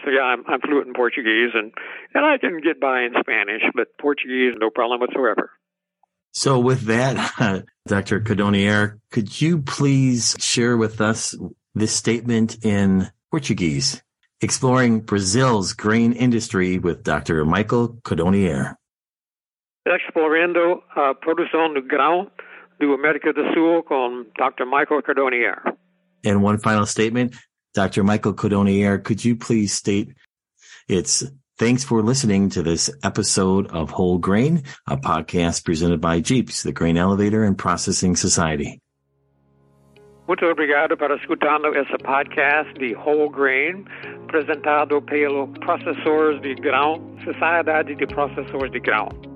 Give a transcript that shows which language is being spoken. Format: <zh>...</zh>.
<en>So, yeah, I'm fluent in Portuguese, and I can get by in Spanish, but Portuguese, no problem whatsoever. So with that, Dr. Cordonnier, could you please share with us this statement in Portuguese? Exploring Brazil's grain industry with Dr. Michael Cordonnier.</en> <pt>Explorando a produção do grão do América do Sul com Dr. Michael Cordonnier.</pt> <en>And one final statement, Dr. Michael Cordonnier, could you please state it's thanks for listening to this episode of Whole Grain, a podcast presented by Jeeps, the Grain Elevator and Processing Society.</en> <pt>Muito obrigado por escutar esse podcast de Whole Grain, apresentado pelo Processores de Grão, Sociedade de Processores de Grão.</pt>